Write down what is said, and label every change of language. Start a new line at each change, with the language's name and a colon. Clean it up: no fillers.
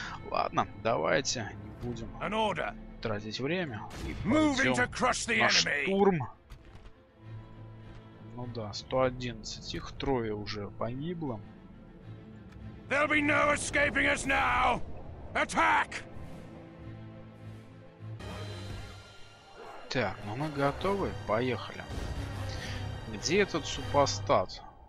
Russian: Ладно, давайте не будем тратить время и пойдем на штурм. Ну да, 111, их трое уже погибло.
English: There'll be no escaping us now. Attack!
Russian: Так, ну мы готовы, поехали. Где этот супостат?